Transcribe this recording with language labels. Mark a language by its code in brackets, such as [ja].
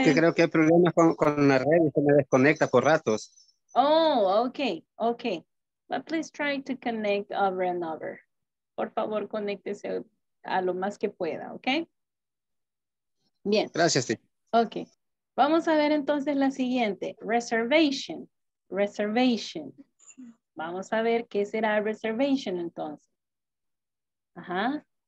[es] Es que creo que hay problemas con la red y se me desconecta por ratos. Oh, okay. [en] But please try to connect over and over. [es] Por favor, conéctese a lo más que pueda, okay? Bien. Gracias, sí. Okay. Vamos a ver entonces la siguiente. Reservation. Reservation. Vamos a ver qué será reservation entonces. Ajá.